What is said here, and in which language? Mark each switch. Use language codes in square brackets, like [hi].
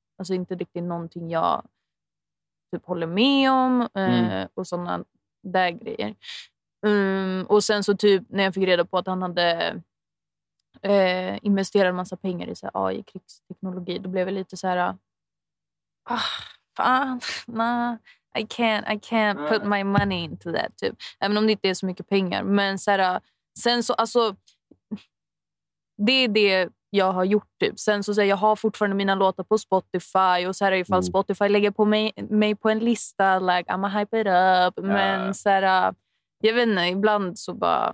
[sv] Alltså inte riktigt någonting jag typ håller med om. Och sådana där grejer. Och sen så typ när jag fick reda på att han hade investerat massa pengar i så här AI-krigsteknologi. Då blev jag lite så här. Fan. [en] Nah, I can't put my money into that typ. [sv] Även om det inte är så mycket pengar. Men så här. Sen så alltså. Det är det jag har gjort typ. Sen så säger jag har fortfarande mina låtar på Spotify. Och så här ifall Spotify lägger på mig på en lista. [en] Like, I'ma hype it up. [sv] Ja. Men så här, jag vet inte, ibland så bara...